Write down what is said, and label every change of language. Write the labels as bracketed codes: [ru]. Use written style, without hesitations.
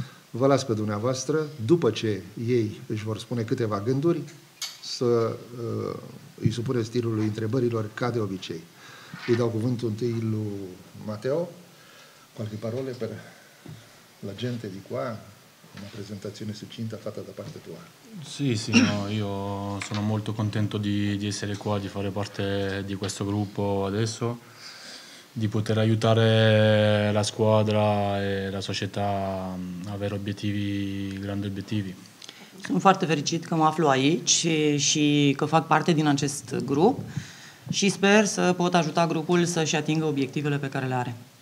[ro] Vă las pe dumneavoastră, după ce ei își vor spune câteva gânduri, să îi supune stilului întrebărilor, ca de obicei. Îi dau cuvântul întâi lui Mateo, [it] cu alte parole, per la gente di qua, una presentazione succinta fatta da parte tua. Sì, sì, no, io sono molto contento di essere qua, di fare parte di questo gruppo adesso, di poter aiutare la squadra e la società a avere obiettivi, grandi obiettivi. [ro] Sunt foarte fericit că mă aflu aici și că fac parte din acest grup și sper să pot ajuta grupul să-și atingă obiectivele pe care le are.